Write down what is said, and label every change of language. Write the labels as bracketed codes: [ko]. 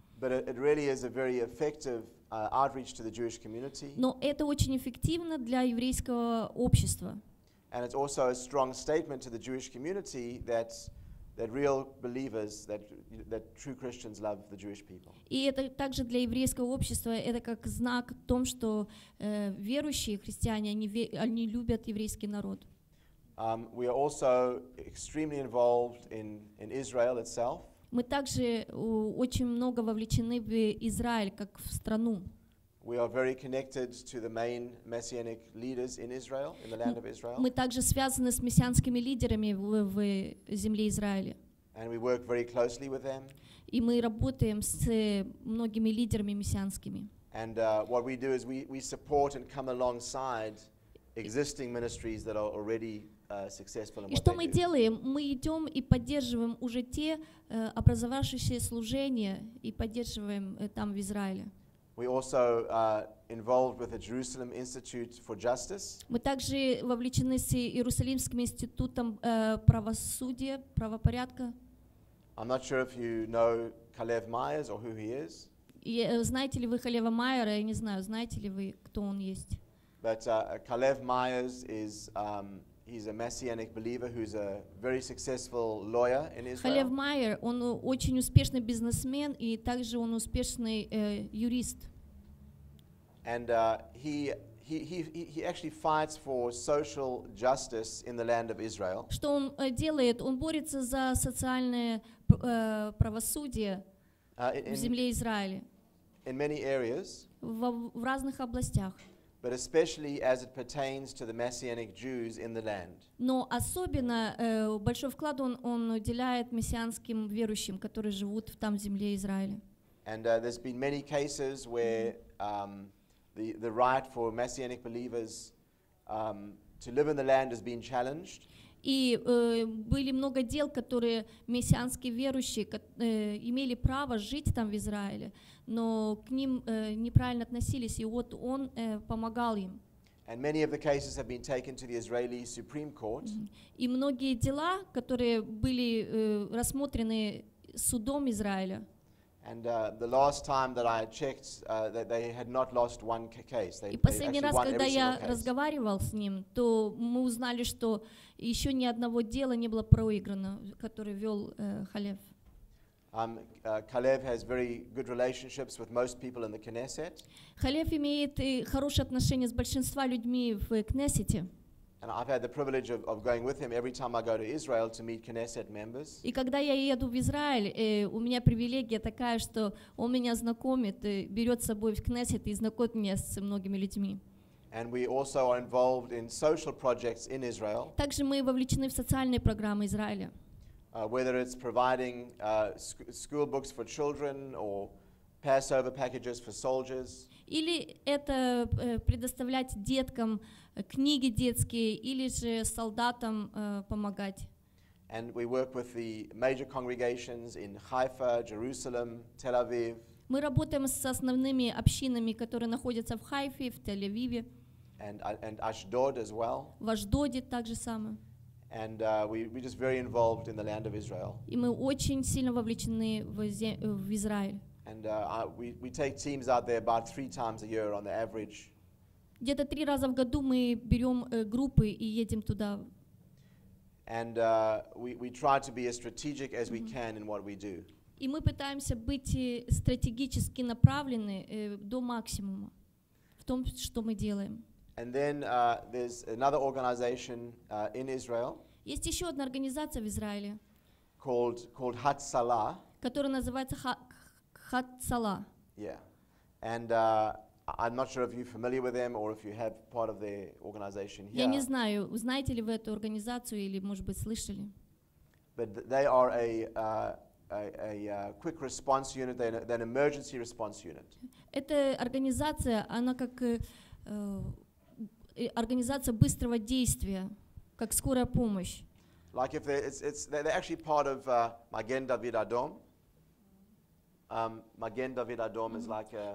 [en] But it really is a very effective outreach to the Jewish community. [ru] Но это очень эффективно для еврейского общества. [en] And it's also a strong statement to the Jewish community that real believers, that true Christians love the Jewish people. [ru] И это также для еврейского общества это как знак о том, что верующие христиане они любят еврейский народ. [en] We are also extremely involved in Israel itself. [ru] Мы также очень много вовлечены в Израиль как в страну. [en] We are very connected to the main messianic leaders in Israel, in the land of Israel. [ru] Мы также связаны с мессианскими лидерами в земле Израиля. [en] And we work very closely with them. [ru] И мы работаем с многими лидерами мессианскими. [en] And what we do is we support and come alongside existing ministries that are already successful in what they do. [ru] И что мы делаем? Мы идем и поддерживаем уже те образовавшиеся служения и поддерживаем там в Израиле. [en] We also involved with the Jerusalem Institute for Justice. [ru] Мы также вовлечены с Иерусалимским институтом правосудия, правопорядка. [en] I'm not sure if you know Kalev Myers or who he is. [ru] Знаете ли вы Калева Майера? Я не знаю. Знаете ли вы, кто он есть? [en] But Kalev Myers is he's a messianic believer who's a very successful lawyer in Israel. [ru] Халев Майер, он очень успешный бизнесмен и также он успешный юрист. [en] And he actually fights for social justice in the land of Israel. [ru] Что он делает? Он борется за социальное правосудие в земле Израиля. [en] In many areas. [ru] В разных областях. [en] But especially as it pertains to the messianic Jews in the land. [ru] Но особенно большой вклад он уделяет мессианским верующим, которые живут в там земле Израиля. [en] And there's been many cases where the right for messianic believers to live in the land has been challenged. [ru] И были много дел, которые мессианские верующие имели право жить там в Израиле, но к ним неправильно относились, и вот он помогал им. [en] And many of the cases have been taken to the Israeli Supreme Court. [ru] И многие дела, которые были рассмотрены судом Израиля. [en] And the last time that I checked, that they had not lost one case. [ru] И последний раз, когда я разговаривал с ним, то мы узнали, что еще ни одного дела не было проиграно, которое вел Халев. [en] Халев has very good relationships with most people in the Knesset. [ru] Халев имеет хорошие отношения с большинством людьми в Кнессете. [en] And I've had the privilege of going with him every time I go to Israel to meet Knesset members. [ru] И когда я еду в Израиль, у меня привилегия такая, что он меня знакомит, берет с собой в Кнессет и знакомит меня с многими людьми. [en] And we also are involved in social projects in Israel. [ru] Также мы вовлечены в социальные программы Израиля. [en] Whether it's providing school books for children or Passover packages for soldiers. [ru] Или это предоставлять деткам книги детские, или же солдатам помогать. [en] And we work with the major congregations in Haifa, Jerusalem, Tel Aviv. [ru] Мы работаем с основными общинами, которые находятся в Хайфе, в Тель-Авиве. [en] And Ашдод as well. [ru] В Ашдоде также самое. [en] And we're just very involved in the land of Israel. [ru] И мы очень сильно вовлечены в Израиль. [en] And we take teams out there about 3 times a year on the average. [ru] Где-то 3 раза в году мы берем группы и едем туда. [en] And we try to be as strategic as we can in what we do. [ru] И мы пытаемся быть стратегически направлены до максимума в том, что мы делаем. [en] And then there's another organization in Israel. [ru] Есть еще одна организация в Израиле. [en] Called Hatzala. [ru] Которая называется Hatzala. [en] Yeah. And I'm not sure if you're familiar with them or if you have part of their organization here. [ru] Я не знаю, знаете ли вы эту организацию или, может быть, слышали? [en] But they are a quick response unit, an emergency response unit. [ru] Эта организация, она как организация быстрого действия, как скорая помощь. [en] Like if they're actually part of Magen David Adom. Magen David Adom is like a.